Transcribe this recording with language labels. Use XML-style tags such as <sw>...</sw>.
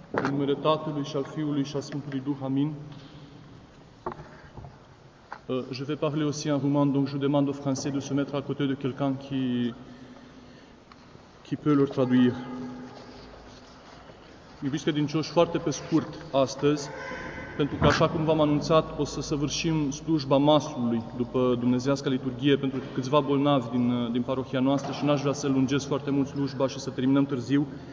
<ro>Numele Tatălui și al Fiului și al Sfântului Duh. Amin.</ro> <fr>Je vais parler aussi en roman, donc je demande aux Français de se mettre à côté de quelqu'un qui peut leur traduire.</fr> <ro>Iubiți credincioși, foarte pe scurt astăzi, pentru că, așa cum v-am anunțat, o să săvârșim slujba masului după dumnezeiasca liturghie pentru câțiva bolnavi din parohia noastră și n-aș vrea să lungesc foarte mult slujba și să terminăm târziu.</ro>